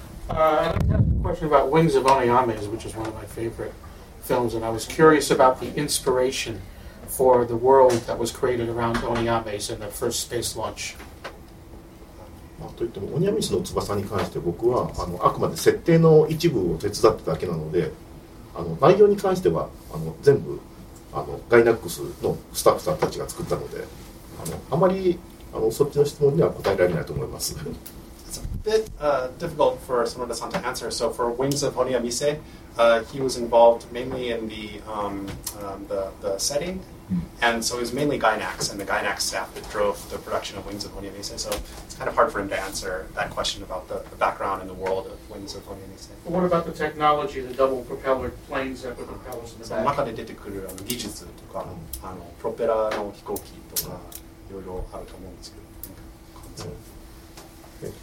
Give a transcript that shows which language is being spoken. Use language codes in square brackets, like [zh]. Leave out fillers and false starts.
[en] I have a question about Wings of Onyames, which is one of my favorite films, and I was curious about the inspiration for the world that was created around Onyames in the first space launch. [ja] といっても、オニアミスの翼に関して僕はあくまで設定の一部を手伝っただけなので、内容に関しては全部ガイナックスのスタッフさんたちが作ったので、あまりそっちの質問には答えられないと思います。 [en] It's a bit difficult for Sonoda-san to answer. So for Wings of Onyamise, he was involved mainly in the setting. And so it was mainly Gainax and the Gainax staff that drove the production of Wings of Onyamise. So it's kind of hard for him to answer that question about the background and the world of Wings of Onyamise. What about the technology, the double propeller planes that put propellers in the back? [ja] 中で出てくる技術とか、プロペラの飛行機とか、いろいろあると思うんですけど。